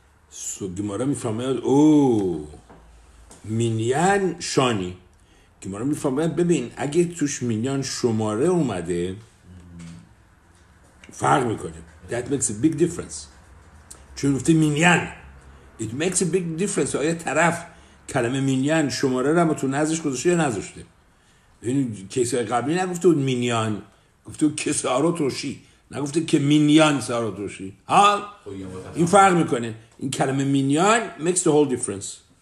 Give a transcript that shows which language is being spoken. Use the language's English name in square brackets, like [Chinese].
[Persian] سو گمارا میفهمید او مینین شانی، گمارا میفهمید ببین اگه توش مینین شماره اومده فرق میکنه، [English] that makes a big difference. [Persian] چون گفته مینین، [English] it makes a big difference. [Persian] آیا طرف کلمه مینین شماره رو تو نزدش گذاشته یا نذاشته؟ ببینید کیس های قبلی نگفته بود مینین، گفته بود که ساروتوشی، نگفته که مینین ساروتوشی. ها این فرق میکنه، این کلمه مینین [English] makes the whole difference.